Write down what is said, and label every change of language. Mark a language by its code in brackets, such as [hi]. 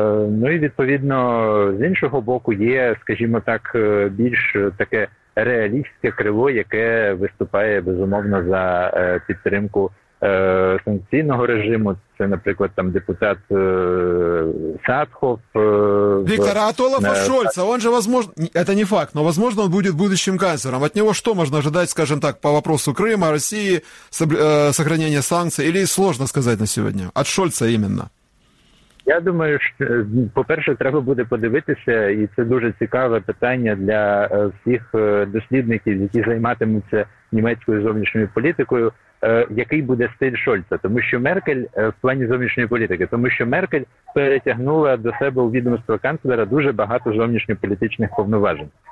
[uk] Ну і відповідно, з іншого боку, є, скажімо так, більш таке реалістське криво, яке виступає безумовно за підтримку санкційного режиму. Це, наприклад, там депутат Садхов. [ru] Віктор, а от Олафа Шольца, он же, возможно, это не факт, но, возможно, он будет будущим канцлером. От него что можно ожидать, скажем так, по вопросу Крыма, России, сохранения санкций, или сложно сказать на сегодня? От Шольца именно. [uk] Я думаю, що, по-перше, треба буде подивитися, і це дуже цікаве питання для всіх дослідників, які займатимуться німецькою зовнішньою політикою, який буде стиль Шольца, тому що Меркель в плані зовнішньої політики, тому що Меркель перетягнула до себе у відомство канцлера дуже багато зовнішньополітичних повноважень.